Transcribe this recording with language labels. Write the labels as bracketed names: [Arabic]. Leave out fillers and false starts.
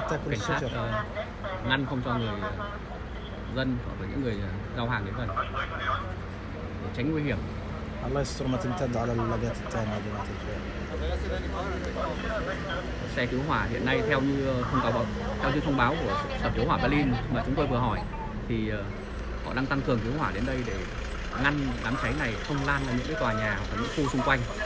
[Vietnamese] Cảnh sát ngăn không cho người dân hoặc là những người giao hàng đến gần để tránh nguy hiểm. [Arabic] الله يستر ما تمتد على اللقات التانية يا جماعة الخير. [Vietnamese] Xe cứu hỏa hiện nay theo như thông báo của sở cứu hỏa Berlin mà chúng tôi vừa hỏi thì họ đang tăng cường cứu hỏa đến đây để ngăn đám cháy này không lan ra những cái tòa nhà và những khu xung quanh.